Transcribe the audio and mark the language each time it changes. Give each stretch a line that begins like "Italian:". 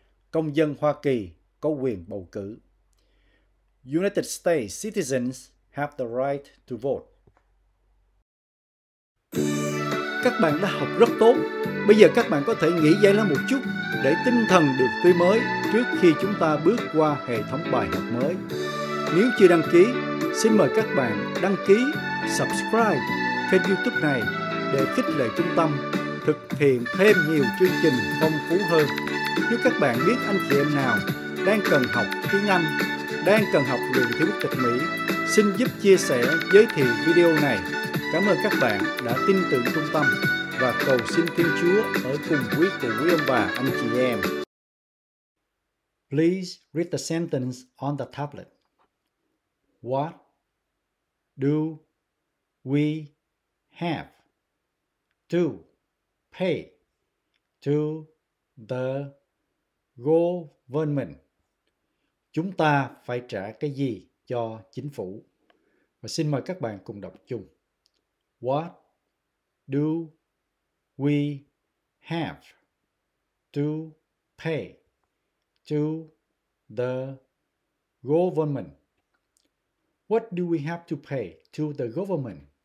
Vietnamese: Công dân Hoa Kỳ có quyền bầu cử.
English: United States citizens have the right to vote.
Vietnamese: Các bạn đã học rất tốt. Bây giờ các bạn có thể nghỉ giải lao một chút để tinh thần được tươi mới trước khi chúng ta bước qua hệ thống bài học mới. Nếu chưa đăng ký, xin mời các bạn đăng ký, subscribe kênh YouTube này để khích lệ trung tâm thực hiện thêm nhiều chương trình phong phú hơn. Nếu các bạn biết anh chị em nào đang cần học tiếng Anh, đang cần học luyện tiếng Tịch Mỹ, xin giúp chia sẻ, giới thiệu video này. Cảm ơn các bạn đã tin tưởng trung tâm và cầu xin Thiên Chúa ở cùng quý cụ quý ông bà anh chị em.
English: Please read the sentence on the tablet. What do we have to pay to the government?
Vietnamese: Chúng ta phải trả cái gì cho chính phủ? Và xin mời các bạn cùng đọc chung.
English: What do we have to pay to the government? What do we have to pay to the government?